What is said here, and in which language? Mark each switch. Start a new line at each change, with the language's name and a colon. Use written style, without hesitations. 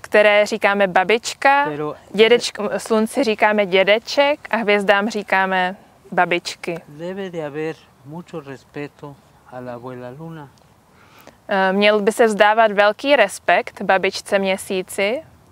Czech: Které říkáme babička, slunci říkáme dědeček a hvězdám říkáme babičky.
Spanish: Debe de haber mucho respeto a la abuela Luna.
Czech: Měl by se vzdávat velký respekt babičce měsíci.